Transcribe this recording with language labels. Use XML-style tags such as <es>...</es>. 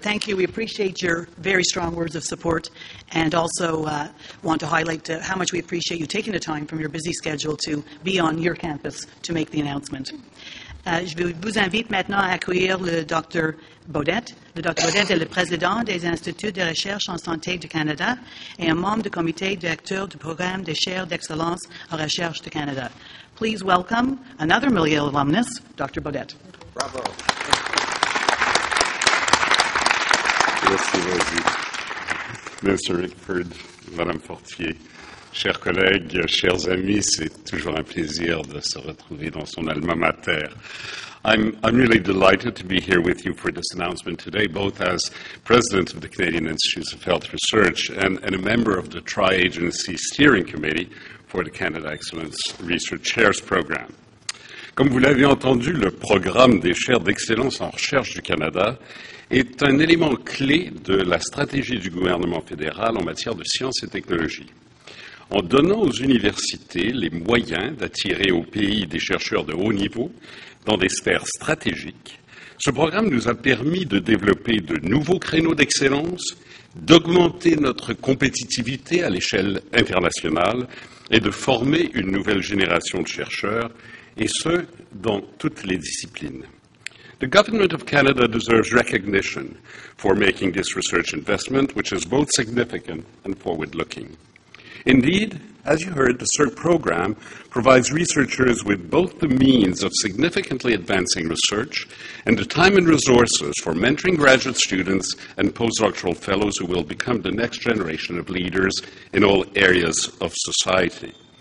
<en>Thank you. We appreciate your very strong words of support and also want to highlight how much we appreciate you taking the time from your busy schedule to be on your campus to make the announcement.</en> <fr>Je vous invite maintenant à accueillir le Dr. Baudette. Le Dr. Baudette est le président des Instituts de recherche en santé du Canada et un membre du comité directeur du programme des chaires d'excellence en recherche du Canada.</fr> <en>Please welcome another McGill alumnus, Dr. Baudette. Bravo.</en> <fr>Merci, Rosie. Monsieur Rickford, Madame Fortier, chers collègues, chers amis, c'est toujours un plaisir de se retrouver dans son alma mater.</fr> <en>I'm really delighted to be here with you for this announcement today, both as President of the Canadian Institutes of Health Research and a member of the Tri-Agency Steering Committee for the Canada Excellence Research Chairs Program.</en> <fr>Comme vous l'avez entendu, le programme des chaires d'excellence en recherche du Canada est un élément clé de la stratégie du gouvernement fédéral en matière de sciences et technologies. En donnant aux universités les moyens d'attirer au pays des chercheurs de haut niveau dans des sphères stratégiques, ce programme nous a permis de développer de nouveaux créneaux d'excellence, d'augmenter notre compétitivité à l'échelle internationale et de former une nouvelle génération de chercheurs et ce, dans toutes les disciplines.</fr> <en>The government of Canada deserves recognition for making this research investment, which is both significant and forward-looking. Indeed, as you heard, the CERC program provides researchers with both the means of significantly advancing research and the time and resources for mentoring graduate students and postdoctoral fellows who will become the next generation of leaders in all areas of society.</en>